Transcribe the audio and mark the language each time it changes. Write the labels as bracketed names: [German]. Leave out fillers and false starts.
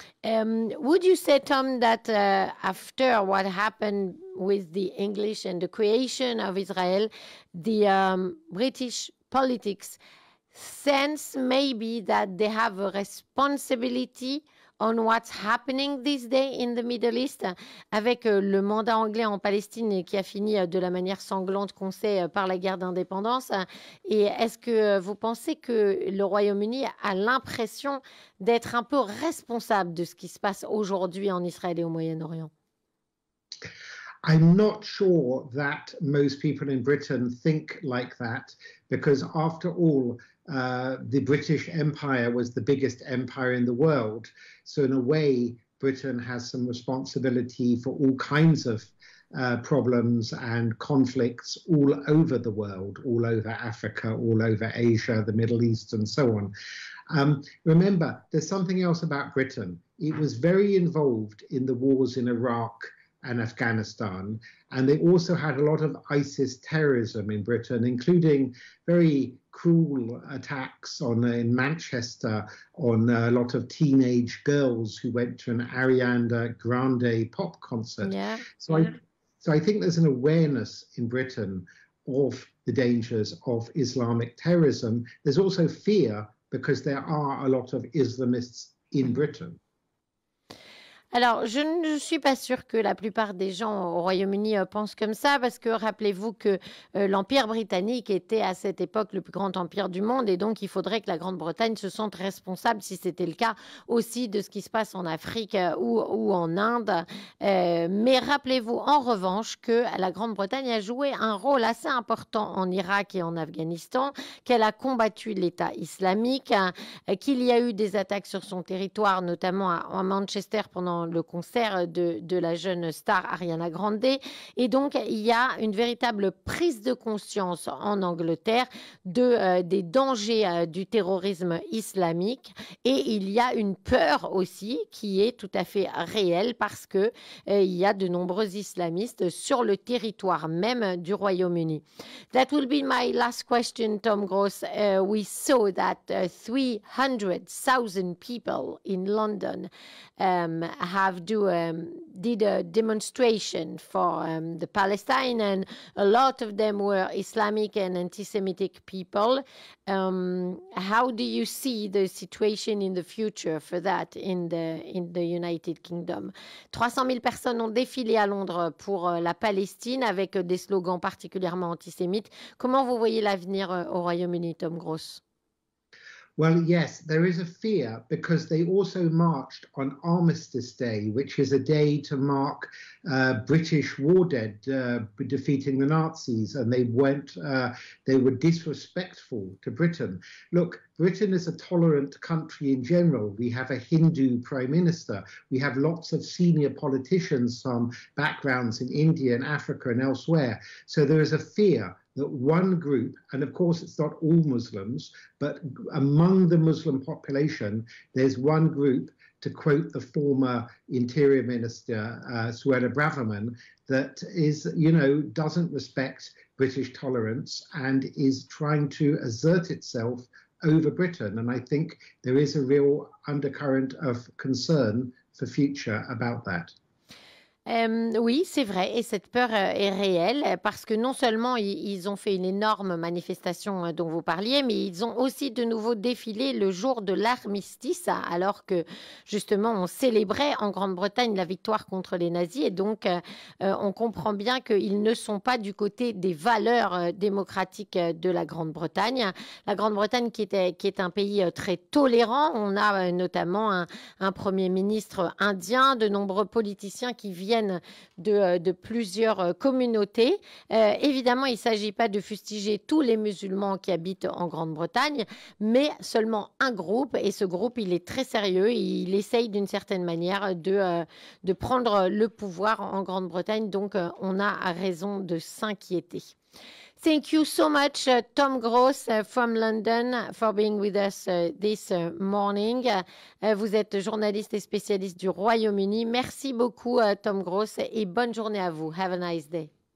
[English] Would you say, Tom, that after what happened with the English and the creation of Israel, the British politics sense maybe that they have a responsibility on what's happening this day in the Middle East, [French] avec le mandat anglais en Palestine qui a fini de la manière sanglante qu'on sait par la guerre d'indépendance? Et est-ce que vous pensez que le Royaume-Uni a l'impression d'être un peu responsable de ce qui se passe aujourd'hui en Israël et au Moyen-Orient? [English] I'm not sure that most people in Britain think like that, because after all, the British Empire was the biggest empire in the world. So in a way, Britain has some responsibility for all kinds of problems and conflicts all over the world, all over Africa, all over Asia, the Middle East, and so on. Remember, there's something else about Britain. It was very involved in the wars in Iraq and Afghanistan, and they also had a lot of ISIS terrorism in Britain, including very cruel attacks in Manchester on a lot of teenage girls who went to an Ariana Grande pop concert. So I think there's an awareness in Britain of the dangers of Islamic terrorism. There's also fear because there are a lot of Islamists in Britain. [French] Alors, je ne suis pas sûre que la plupart des gens au Royaume-Uni pensent comme ça, parce que rappelez-vous que l'Empire britannique était à cette époque le plus grand empire du monde, et donc il faudrait que la Grande-Bretagne se sente responsable, si c'était le cas, aussi de ce qui se passe en Afrique ou en Inde. Mais rappelez-vous en revanche que la Grande-Bretagne a joué un rôle assez important en Irak et en Afghanistan, qu'elle a combattu l'État islamique, qu'il y a eu des attaques sur son territoire, notamment à Manchester pendant le concert de la jeune star Ariana Grande. Et donc, il y a une véritable prise de conscience en Angleterre des dangers du terrorisme islamique. Et il y a une peur aussi qui est tout à fait réelle, parce qu'il y a de nombreux islamistes sur le territoire même du Royaume-Uni. [English] That will be my last question, Tom Gross. We saw that 300,000 people in London did a demonstration for the Palestine, and a lot of them were Islamic and anti-Semitic people. How do you see the situation in the future for that in the United Kingdom? [French] 300 000 personnes ont défilé à Londres pour la Palestine avec des slogans particulièrement antisémites. Comment vous voyez l'avenir au Royaume-Uni, Tom Gross? [English] Well, yes, there is a fear, because they also marched on Armistice Day, which is a day to mark British war dead defeating the Nazis, and they were disrespectful to Britain. Look, Britain is a tolerant country in general. We have a Hindu prime minister. We have lots of senior politicians from backgrounds in India and Africa and elsewhere. So there is a fear that one group, and of course it's not all Muslims, but among the Muslim population, there's one group, to quote the former Interior Minister, Suella Braverman, that is, you know, doesn't respect British tolerance and is trying to assert itself over Britain. And I think there is a real undercurrent of concern for future about that. [French] Oui, c'est vrai, et cette peur est réelle, parce que non seulement ils ont fait une énorme manifestation dont vous parliez, mais ils ont aussi de nouveau défilé le jour de l'armistice, alors que justement on célébrait en Grande-Bretagne la victoire contre les nazis, et donc on comprend bien qu'ils ne sont pas du côté des valeurs démocratiques de la Grande-Bretagne. La Grande-Bretagne qui est un pays très tolérant, on a notamment un premier ministre indien, de nombreux politiciens qui viennent de plusieurs communautés. Évidemment, il ne s'agit pas de fustiger tous les musulmans qui habitent en Grande-Bretagne, mais seulement un groupe. Et ce groupe, il est très sérieux. Il essaye d'une certaine manière de prendre le pouvoir en Grande-Bretagne. Donc, on a raison de s'inquiéter. [English] Thank you so much, Tom Gross, from London, for being with us this morning. [French] Vous êtes journaliste et spécialiste du Royaume-Uni. Merci beaucoup, Tom Gross, et bonne journée à vous. [English] Have a nice day.